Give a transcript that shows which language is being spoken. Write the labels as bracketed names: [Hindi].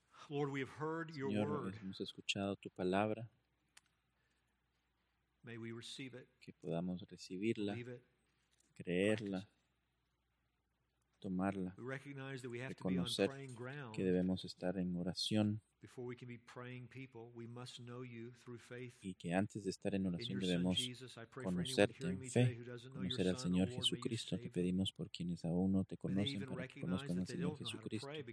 [English] Lord, we have heard your [Spanish] Señor, [English] word. [Spanish] Hemos escuchado tu palabra. [English] May we receive it, [Spanish] que podamos recibirla, creerla, tomarla, reconocer que debemos estar en oración. [English] Before we can be praying people, we must know you through faith. [Spanish] Y que antes de estar en oración debemos conocerte en fe, conocer al Señor Jesucristo. Te pedimos por quienes aún no te conocen, para que conozcan al Señor Jesucristo.